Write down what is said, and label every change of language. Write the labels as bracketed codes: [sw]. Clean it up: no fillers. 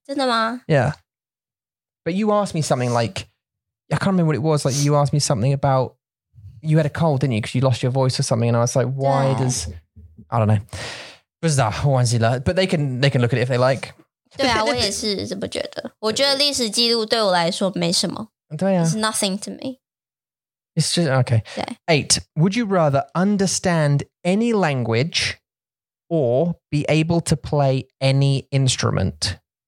[zh] 真的吗? [en] Yeah. But you asked me something like. I can't remember what it was. Like you asked me something about, you had a cold, didn't you? Because you lost your voice or something. And I was like, why does, I don't know. [zh] 不知道忘记了 [en] But they can look at it if they like. [zh] 对啊我也是这么觉得。我觉得历史记录对我来说没什么。对啊 [en] It's nothing to me. It's just, okay. [zh] 对 [en] Eight, would you rather understand any language or be able to play any instrument?